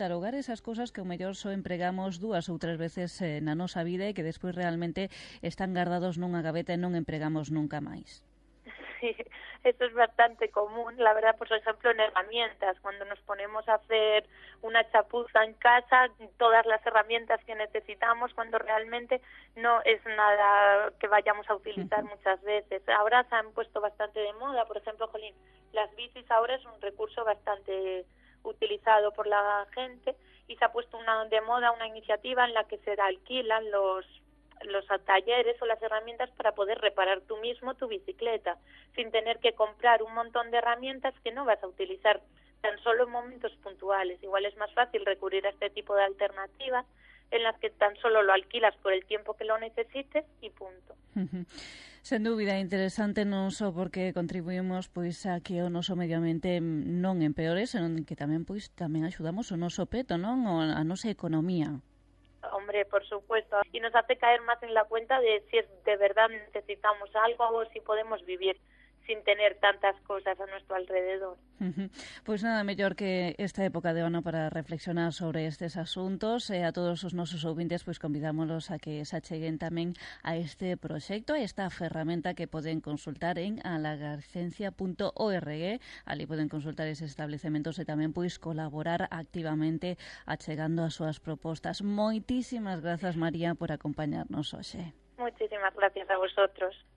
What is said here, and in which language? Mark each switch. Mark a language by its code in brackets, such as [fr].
[gl] De alugar esas cousas que o mellor só empregamos dúas ou tres veces na nosa vida e que despois realmente están guardados nunha gaveta e non empregamos nunca máis. [es] Sí, eso es bastante común, la verdad, por ejemplo, en herramientas, cuando nos ponemos a hacer una chapuza en casa, todas las herramientas que necesitamos, cuando realmente no es nada que vayamos a utilizar muchas veces. Ahora se han puesto bastante de moda, por ejemplo, Jolín, las bicis ahora es un recurso bastante utilizado por la gente y se ha puesto de moda una iniciativa en la que se alquilan los talleres o las herramientas para poder reparar tú mismo tu bicicleta sin tener que comprar un montón de herramientas que no vas a utilizar tan solo en momentos puntuales. Igual es más fácil recurrir a este tipo de alternativas en las que tan solo lo alquilas por el tiempo que lo necesites y punto. [gl] Sen dúbida, interesante non só porque contribuimos pois a que o noso medio ambiente non empeore, senón que tamén pois tamén axudamos o noso peto, non? O a nosa economía. [es] Hombre, por supuesto, y nos hace caer más en la cuenta de si es de verdad necesitamos algo o si podemos vivir sin tener tantas cosas a nuestro alrededor. [gl] Pues nada, mellor que esta época de ano para reflexionar sobre estes asuntos. A todos os nosos ouvintes, pues convidámoslos a que se acheguen tamén a este proxecto, a esta ferramenta que poden consultar en alagarcencia.org. Ali poden consultar eses establecementos e tamén pues colaborar activamente achegando as súas propostas. Moitísimas grazas, María, por acompañarnos hoxe. [es] Muchísimas gracias a vosotros.